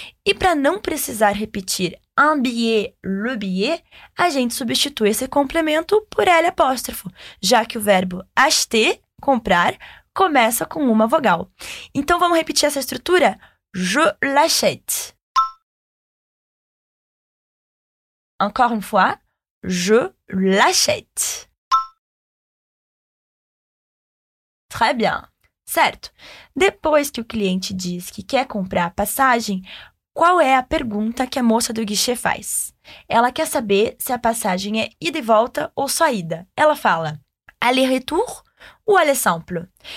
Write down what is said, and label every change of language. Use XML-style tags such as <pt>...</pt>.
<pt>E para não precisar repetir</pt> <fr>un billet, le billet,</fr> <pt>a gente substitui esse complemento por L apóstrofo, já que o verbo acheter, comprar, começa com uma vogal. Então, vamos repetir essa estrutura?</pt> <fr>Je l'achète. Encore une fois, je l'achète. Très bien.</fr> <pt>Certo. Depois que o cliente diz que quer comprar a passagem, qual é a pergunta que a moça do guichê faz? Ela quer saber se a passagem é ida e volta ou só ida. Ela fala,</pt> <fr>aller-retour ou aller-simple?</fr>